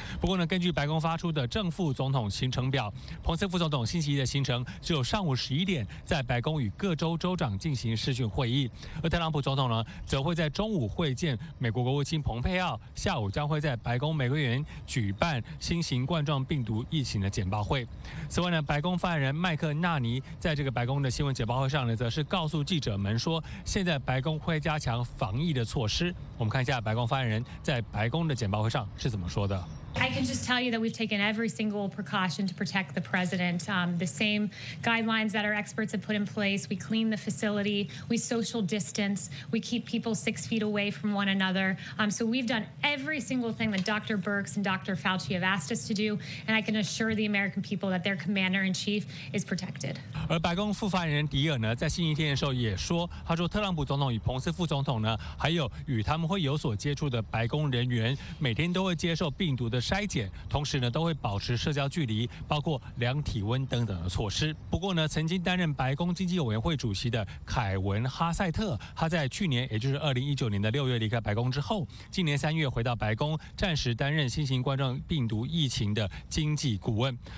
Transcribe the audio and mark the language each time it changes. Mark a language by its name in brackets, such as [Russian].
[Chinese] 不过呢，根据白宫发出的正副总统行程表，彭斯副总统星期一的行程只有上午11点在白宫与各州州长进行视讯会议，而特朗普总统呢，则会在中午会见美国国务卿蓬佩奥，下午将会在白宫玫瑰园举办新型冠状病毒疫情的简报会。此外呢，白宫发言人麦克纳尼在这个白宫的新闻简报会上呢，则是告诉记者们说，现在白宫会加强防疫的措施。我们看一下白宫发言人在白宫的简报会上是怎么说的。 [English] I can just tell you that we've taken every single precaution to protect the president. The same guidelines that our experts have put in place. We clean the facility. We social distance. We keep people 6 feet away from one another. So we've done every single thing that Dr. Birx and Dr. Fauci have asked us to do. And I can assure the American people that their commander in chief is protected. [Chinese] 而白宫副发言人迪尔呢，在星期天的时候也说，他说特朗普总统与彭斯副总统呢，还有与他们会有所接触的白宫人员，每天都会接受病毒的筛检，同时呢都会保持社交距离，包括量体温等等的措施。不过呢，曾经担任白宫经济委员会主席的凯文哈塞特，他在去年，也就是2019年的6月离开白宫之后，今年3月回到白宫，暂时担任新型冠状病毒疫情的经济顾问。